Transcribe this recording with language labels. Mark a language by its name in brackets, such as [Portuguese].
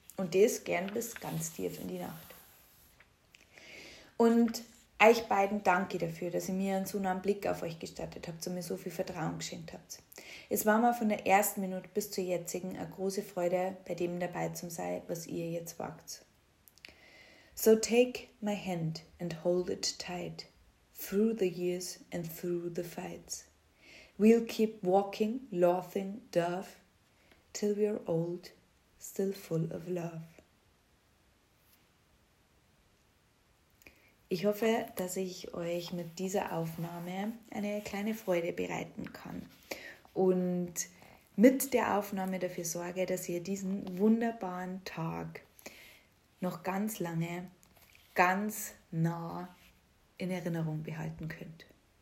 [German] Und das gern bis ganz tief in die Nacht. Und euch beiden danke dafür, dass ihr mir einen so nahen Blick auf euch gestattet habt und mir so viel Vertrauen geschenkt habt. Es war mir von der ersten Minute bis zur jetzigen eine große Freude, bei dem dabei zu sein, was ihr jetzt wagt. [English] So take my hand and hold it tight, through the years and through the fights. We'll keep walking, laughing, dove, till we're old, still full of love. [German] Ich hoffe, dass ich euch mit dieser Aufnahme eine kleine Freude bereiten kann und mit der Aufnahme dafür sorge, dass ihr diesen wunderbaren Tag noch ganz lange, ganz nah in Erinnerung behalten könnt.